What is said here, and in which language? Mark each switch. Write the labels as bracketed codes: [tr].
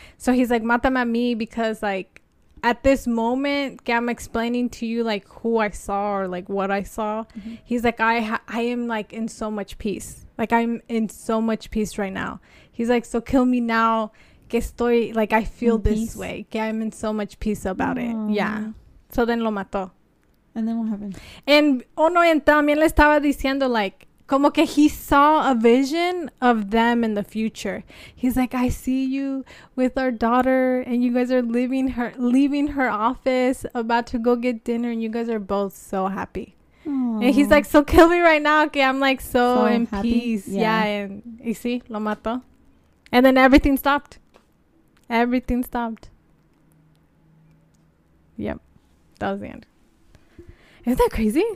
[en] So he's like, [es] mátame a mí, [en] because like at this moment I'm explaining to you like who I saw or like what I saw. Mm-hmm. He's like, I am like in so much peace. Like, I'm in so much peace right now. He's like, so kill me now. [es] Que estoy, [en] like, I feel in this peace. Way. [es] Que [en] I'm in so much peace about it. Yeah. So then [es] lo mató. [en] And then what happened? And, oh no, and [es] también le estaba diciendo, [en] like, [es] como que [en] he saw a vision of them in the future. He's like, I see you with our daughter, and you guys are leaving her office, about to go get dinner, and you guys are both so happy. Aww. And he's like, so kill me right now. Okay, I'm like so in happy. Peace. Yeah. And you see, [es] lo mato. [en] And then everything stopped. Yep. That was the end. Isn't that crazy?